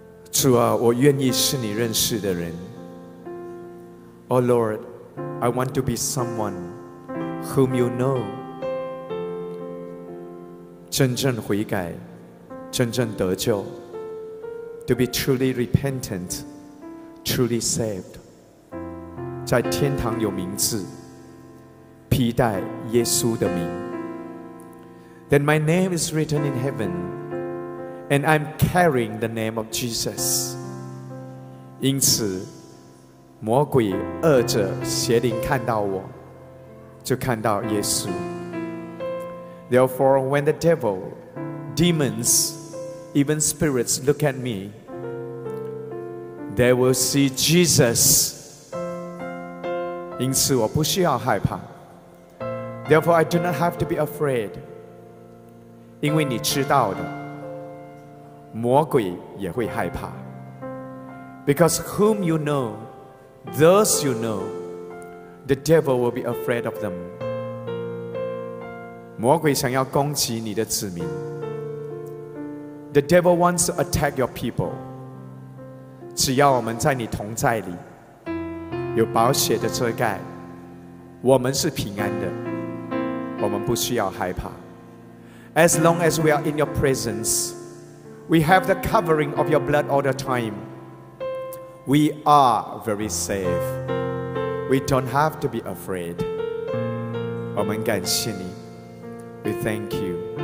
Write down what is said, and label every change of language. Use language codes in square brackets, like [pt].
[zh] 主啊，我愿意是你认识的人。 [en] Oh Lord, I want to be someone whom you know。 [zh] 真正悔改，真正得救。 [en] To be truly repentant, truly saved。 [zh] 在天堂有名字，披戴耶稣的名。 [en] Then my name is written in heaven, and I'm carrying the name of Jesus。 [zh] 因此魔鬼恶者邪灵看到我，就看到耶稣。 [en] Therefore, when the devil, demons, even spirits look at me, they will see Jesus。 [zh] 因此我不需要害怕。 [en] Therefore, I do not have to be afraid。 [zh] 因为你知道的，魔鬼也会害怕。 [en] Because whom you know, those you know,The devil will be afraid of them。 [zh] 魔鬼想要攻击你的子民。 [en] The devil wants to attack your people。 [zh] 只要我们在你同在里，有宝血的遮盖，我们是平安的，我们不需要害怕。 [en] As long as we are in your presence, we have the covering of your blood all the time, we are very safe。 We don't have to be afraid。 [zh] 我们感谢你， [en] We thank you。